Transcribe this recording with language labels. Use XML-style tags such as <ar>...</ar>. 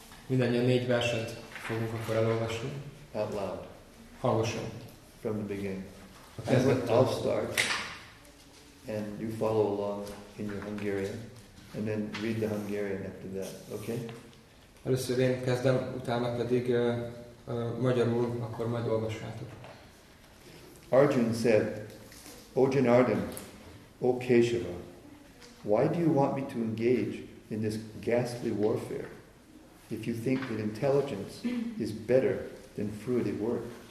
<hu>Mindannyian négy verset fogunk akkor elolvasni.</hu> <en>Out loud.</en> <hu>Hangosan.</hu> <en>From the beginning. I'll start, and you follow along in your Hungarian, and then read the Hungarian after that, okay?</en> <hu>Először én kezdem, utána pedig magyarul, akkor majd olvashatok.</hu> <en>Arjun said, O Janardan, O Keshava, why do you want me to engage in this ghastly warfare if you think that intelligence is better than fruitive work?</en>